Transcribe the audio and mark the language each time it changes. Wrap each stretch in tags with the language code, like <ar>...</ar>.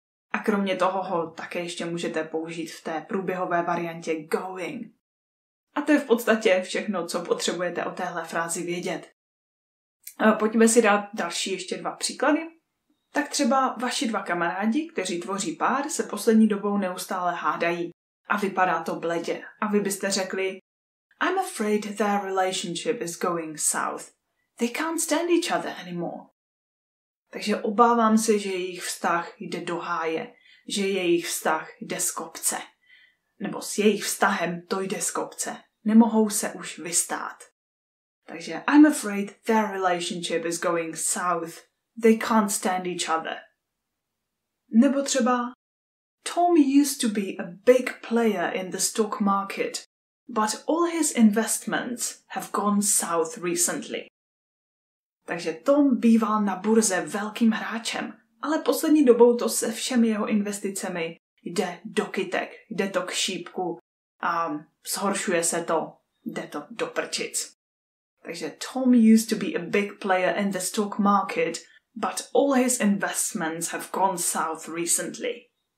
<cs>A kromě toho ho také ještě můžete použít v té průběhové variantě going. A to je v podstatě všechno, co potřebujete o téhle frázi vědět. Pojďme si dát další ještě dva příklady. Tak třeba vaši dva kamarádi, kteří tvoří pár, se poslední dobou neustále hádají. a vypadá to bledě. A vy byste řekli,</cs> <en>I'm afraid their relationship is going south. They can't stand each other anymore.</en> <cs>Takže obávám se, že jejich vztah jde do háje, že jejich vztah jde z kopce. Nebo s jejich vztahem to jde z kopce. Nemohou se už vystát.</cs> <en>Takže I'm afraid their relationship is going south. They can't stand each other.</en> <cs>Nebo třeba</cs> <en>Tom used to be a big player in the stock market, but all his investments have gone south recently.</en> <cs>Takže Tom býval na burze velkým hráčem, ale poslední dobou to se všemi jeho investicemi jde do kytek, jde to k šípku a zhoršuje se to, jde to do prčic.</cs> <en>Takže Tom used to be a big player in the stock market, but all his investments have gone south recently.</en>